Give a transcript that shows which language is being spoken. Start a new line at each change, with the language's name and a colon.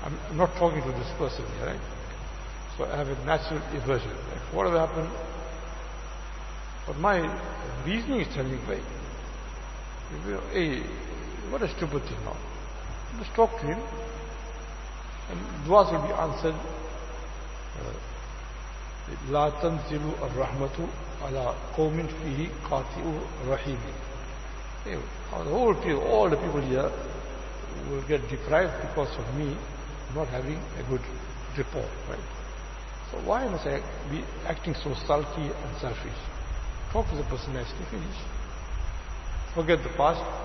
English: I'm not talking to this person here, right? So I have a natural aversion. Like, whatever happened, but my reasoning is telling me, hey, what a stupid thing now. Just talk to him, and du'as will be answered.
Arabic: لا تنزل الرحمة على قوم فيه قاطع رحيم.
English: all the people here will get deprived because of me not having a good rapport, right? So why must I be acting so sulky and selfish? Talk to the person nicely, finish. Forget the past.